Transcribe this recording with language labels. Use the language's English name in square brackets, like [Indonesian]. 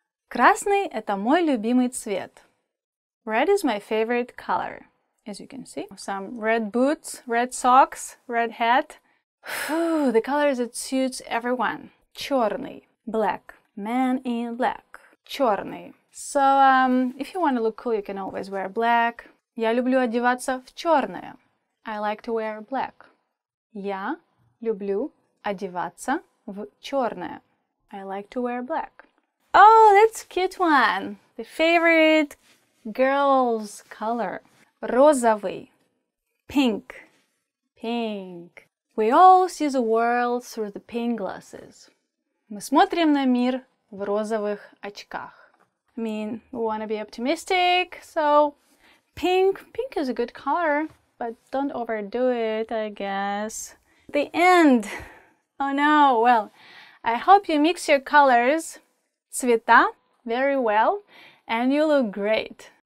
[Russian] Красный – это мой любимый цвет. [English] Red is my favorite color, as you can see. Some red boots, red socks, red hat. Whew, the colors that suits everyone. [Russian] Чёрный. [English] Black. Man in black. [Russian] Чёрный. [English] So, if you want to look cool, you can always wear black. [Russian] Я люблю одеваться в чёрное. [English] I like to wear black. [Russian] Я люблю одеваться в чёрное. [English] I like to wear black. Oh, that's a cute one. The favorite girl's color. [Russian] Розовый. [English] Pink. Pink. We all see the world through the pink glasses. [Russian] Мы смотрим на мир в розовых очках. [English] I mean, we want to be optimistic, so pink. Pink is a good color, but don't overdo it, I guess. The end. Oh no, well, I hope you mix your colors, [Russian] цвета, [English] very well, and you look great.